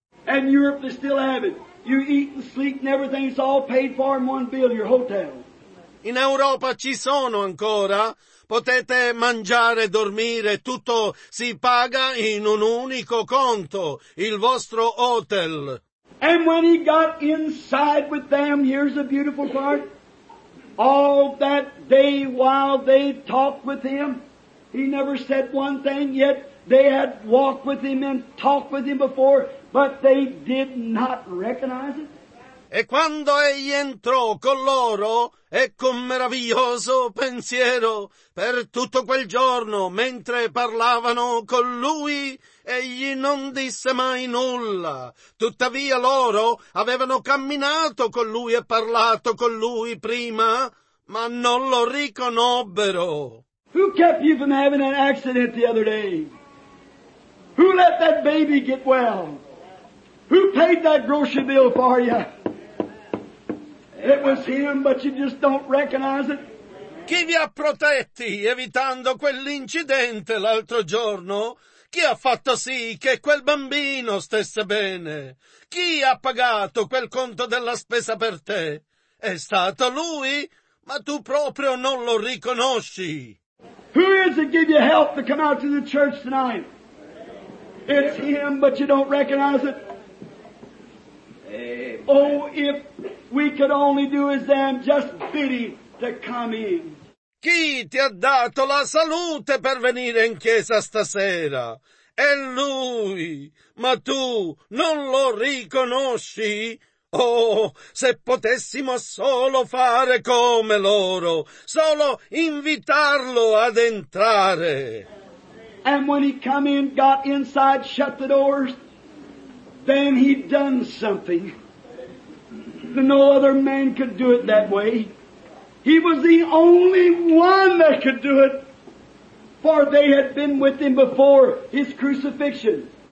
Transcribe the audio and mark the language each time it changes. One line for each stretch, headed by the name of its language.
English: And Europe, they still have it. You eat and sleep and everything's all paid for in one bill, your hotel.
Italian: In Europa ci sono ancora, potete mangiare, dormire, tutto si paga in un unico conto, il vostro hotel.
English: And when he got inside with them, here's the beautiful part, all that day while they talked with him, he never said one thing, yet they had walked with him and talked with him before, but they did not recognize it.
Italian: E quando egli entrò con loro, ecco un meraviglioso pensiero, per tutto quel giorno, mentre parlavano con lui, egli non disse mai nulla. Tuttavia loro avevano camminato con lui e parlato con lui prima, ma non lo riconobbero.
English: Who kept you from having an accident the other day? Who let that baby get well? Who paid that grocery bill for you? It was him, but you just don't recognize it.
Italian: Chi vi ha protetti evitando quell'incidente l'altro giorno? Chi ha fatto sì che quel bambino stesse bene? Chi ha pagato quel conto della spesa per te? È stato lui, ma tu proprio non lo riconosci.
English: Who is it give you help to come out to the church tonight? It's him, but you don't recognize it. Oh, if we could only do as them, just pity to come in.
Italian: Chi ti ha dato la salute per venire in chiesa stasera? È lui, ma tu non lo riconosci? Oh, se potessimo solo fare come loro, solo invitarlo ad entrare.
English: And when he come in, got inside, shut the doors, then he done something. No other man could do it that way. He was the only one that could do it, for they had been with him before his crucifixion.